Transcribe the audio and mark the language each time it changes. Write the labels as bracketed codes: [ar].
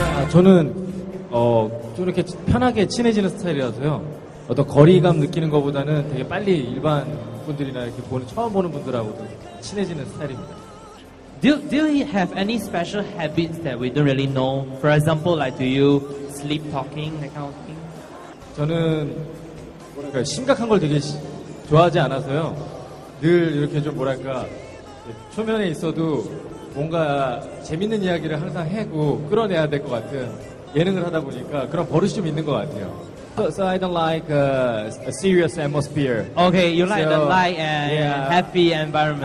[ko] 저는 좀 이렇게 편하게 친해지는 스타일이라서요. 어떤 거리감 느끼는 것보다는 되게 빨리 일반 분들이나 이렇게 보는 처음 보는 분들하고도 친해지는 스타일입니다. [en] Do you have any special habits that we don't really know? For example, like do you sleep talking, that kind of thing? [ko] 저는 심각한 걸 되게 좋아하지 않아서요. 늘 이렇게 좀 뭐랄까 초면에 있어도 뭔가 재밌는 이야기를 항상 해고 끌어내야 될 것 같은 예능을 하다 보니까 그런 버릇이 좀 있는 것 같아요. [en] So I don't like a serious atmosphere. Okay, you like the light and happy environment.